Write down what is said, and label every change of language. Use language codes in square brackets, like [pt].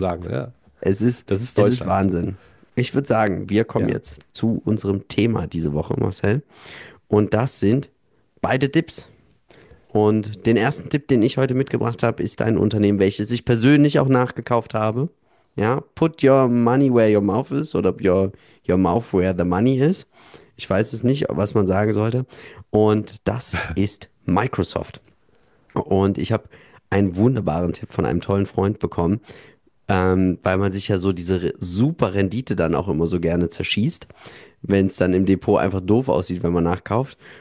[de] sagen? Ja. Es Das ist ist Deutschland. Wahnsinn. Ich würde sagen, wir kommen Ja. jetzt zu unserem Thema diese Woche, Marcel. Und das sind beide Tipps. Und den ersten Tipp, den ich heute mitgebracht habe, ist ein Unternehmen, welches ich persönlich auch nachgekauft habe. [en] Ja, put your money where your mouth is oder your mouth where the money is. [de] Ich weiß es nicht, was man sagen sollte. Und das ist Microsoft. Und ich habe einen wunderbaren Tipp von einem tollen Freund bekommen, weil man sich ja so diese super Rendite dann auch immer so gerne zerschießt, wenn es dann im Depot einfach doof aussieht, wenn man nachkauft.